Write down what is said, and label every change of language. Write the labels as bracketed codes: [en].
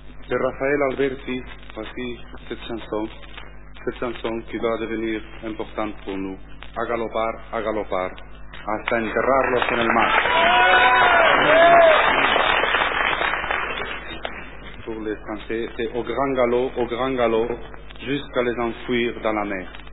[fr] Rafael Alberti, voici cette chanson qui va devenir importante pour nous. [es] A galopar, a galopar, hasta enterrarlos en el mar. [fr] Pour les Français, c'est au grand galop, jusqu'à les enfouir dans la mer.